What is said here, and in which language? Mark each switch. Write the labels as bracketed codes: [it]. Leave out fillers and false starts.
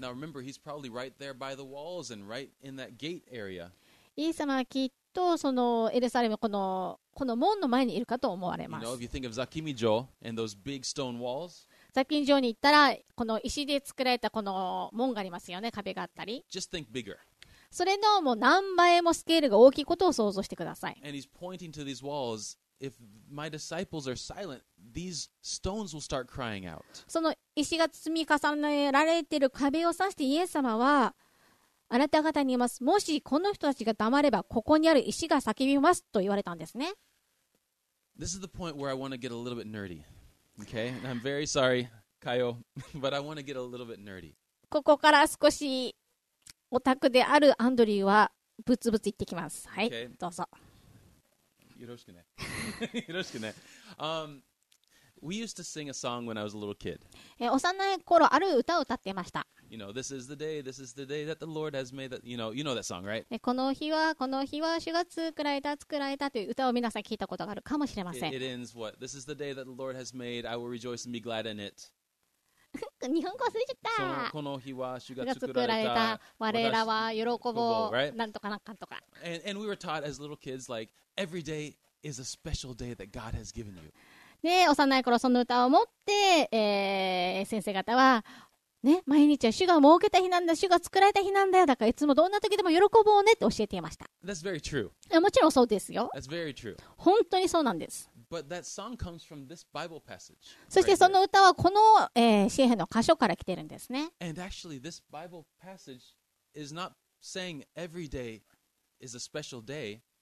[en] Now remember, he's probably right there by the walls and right in that gate area. [ja] イエス様はきっとそのエルサレムこの門の前にいるかと思われます。 [en] You know, if you think of Zakimi城 and those big stone walls, [ja] Zakimi城に行ったらこの石で作られたこの門がありますよね。壁があったり、 [en] Just think bigger [ja] それのもう何倍もスケールが大きいことを想像してください。 [en] And he's pointing to these walls. If my disciples are silent, these stones will start crying out. [ja] その石が積み重ねられている壁を指してイエス様はあなた方に言います。もしこの人たちが黙ればここにある石が叫びますと言われたんですね。 [en] This is the point where I want to get a little bit nerdy. Okay? And I'm very sorry, Kayo, but I want to get a little bit nerdy. [ja] ここから少しオタクであるアンドリューはブツブツ言ってきます。はい、 [en] okay. [ja] どうぞ。よろしくね。よろしくね。 [en] We used to sing a song when I was a little kid. [ja] 幼い頃ある歌を歌ってました。 [en] You know, this is the day, this is the day that the Lord has made. You know that song, right? [ja] この日は主が作られたという歌を皆さん聞いたことがあるかもしれません。 [en] It ends what? This is the day that the Lord has made. I will rejoice and be glad in it. [ja] 日本語忘れちゃった。この日は主が作られた我らは喜ぼう、ここ、right? なんとかなんかとか。 [en] And we were taught as little kids like every day is a special day that God has given you. [ja] で幼い頃その歌を持って、先生方は、ね、毎日は主が設けた日なんだ、主が作られた日なんだよ、だからいつもどんな時でも喜ぼうねって教えていました。 [en] That's very true. [ja] もちろんそうですよ。 [en] That's very true. [ja] 本当にそうなんです。 [en] But that song comes from this Bible passage. [ja] そしてその歌はこの、詩編の箇所から来てるんですね。 [en] And actually, this Bible passage is not saying every day is a special day.